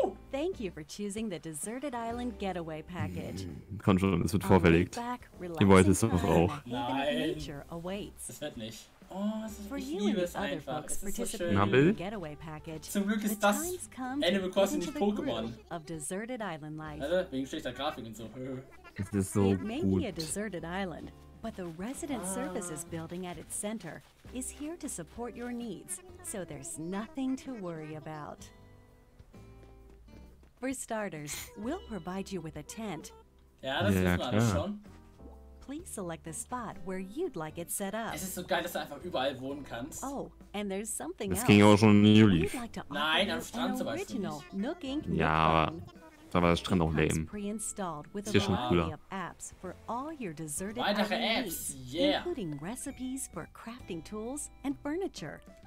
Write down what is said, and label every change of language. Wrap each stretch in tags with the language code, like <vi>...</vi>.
<en>Thank you for choosing the Deserted Island Getaway Package.</en> <de>Komm schon, es wird vorverlegt. Ihr wollt es doch auch. Nein. Das wird nicht. Oh, ich liebe es einfach. Es ist so schön. Nabel? Zum Glück ist das Animal Crossing nicht Pokémon. Also, wegen schlechter Grafik und so. Es ist so gut.</de> <en>It may be a deserted island, but the resident services building at its center is here to support your needs, so there's nothing to worry about. For starters, we'll provide you with a tent.</en> <de>Ja, das wissen wir alles schon.</de> <en>Please select the spot where you'd like it set up.</en> <de>Es ist so geil, dass du einfach überall wohnen kannst.</de> <en>Oh, and there's something</en> <de>else. Das ging auch schon in New Leaf. Nein, am Strand zum Beispiel nicht. Ja, aber da war der Strand auch lame. Ist hier schon cooler. Weitere Apps, yeah.</de> <en>Including recipes for crafting tools and furniture.</en>